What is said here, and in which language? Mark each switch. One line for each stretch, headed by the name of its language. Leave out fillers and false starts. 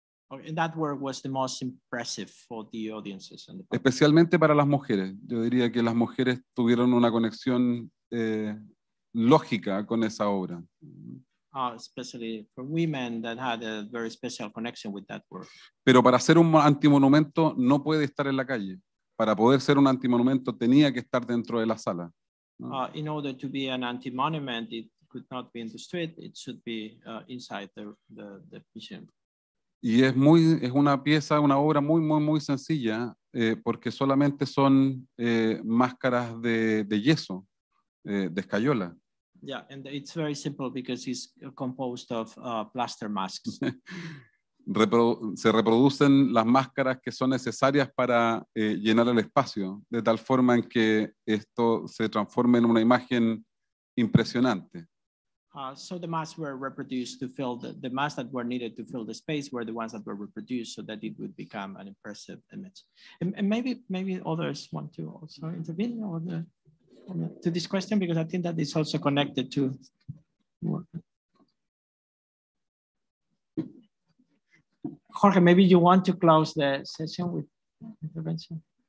English: And that work was the most impressive for the audiences. And the public.
Spanish: Especialmente para las mujeres. Yo diría que las mujeres tuvieron una conexión lógica con esa obra.
English: Especially for women that had a very special connection with that work.
Spanish: Pero para ser un antimonumento no puede estar en la calle. Para poder ser un antimonumento tenía que estar dentro de la sala. ¿No?
English: In order to be an antimonument, it could not be in the street, it should be inside the museum.
Spanish: Y es una pieza, una obra muy, muy, muy sencilla, porque solamente son máscaras de yeso, de escayola.
English: Yeah, and it's very simple because it's composed of plaster masks. Se reproducen las máscaras que son necesarias para llenar el espacio, de tal forma en que esto se transforme en una imagen impresionante. So the masks were reproduced to fill the masks that were needed to fill the space were the ones that were reproduced so that it would become an impressive image. And maybe others want to also intervene or the to this question, because I think that it's also connected to Jorge, maybe you want to close the session with intervention.